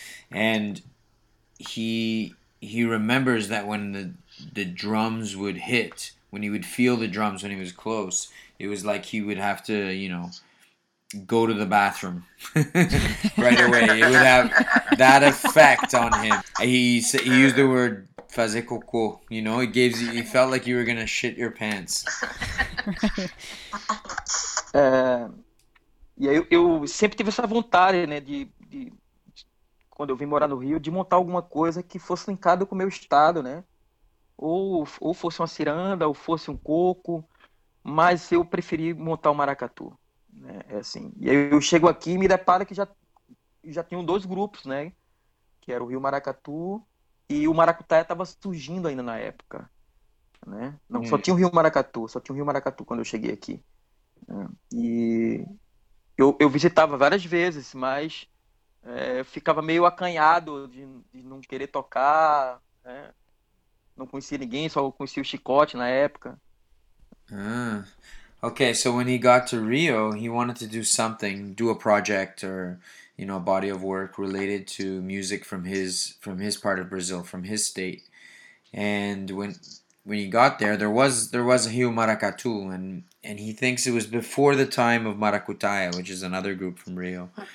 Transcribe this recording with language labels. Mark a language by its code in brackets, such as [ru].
[en] And he remembers that when the drums would hit, when he would feel the drums when he was close, it was like he would have to, go to the bathroom right away. It would have that effect on him. He used the word [pt] fazer cocô. [en] He felt like you were gonna shit your pants. [pt] E aí eu sempre tive essa vontade, né, de quando eu vim morar no Rio, de montar alguma coisa que fosse linkada com o meu estado, né? Ou fosse uma ciranda, ou fosse um coco, mas eu preferi montar o maracatu. É assim. E aí eu chego aqui e me deparo que já tinham dois grupos, né? Que era o Rio Maracatu e o Maracutaia estava surgindo ainda na época, né? Não, só tinha o Rio Maracatu, só tinha o Rio Maracatu quando eu cheguei aqui. E eu visitava várias vezes, mas ficava meio acanhado de não querer tocar, né? Não conhecia ninguém, só conhecia o Chicote na época. [en] Okay, so when he got to Rio, he wanted to do something, do a project or, a body of work related to music from his part of Brazil, from his state. And when he got there, there was a Rio Maracatu, and he thinks it was before the time of Maracutaia, which is another group from Rio.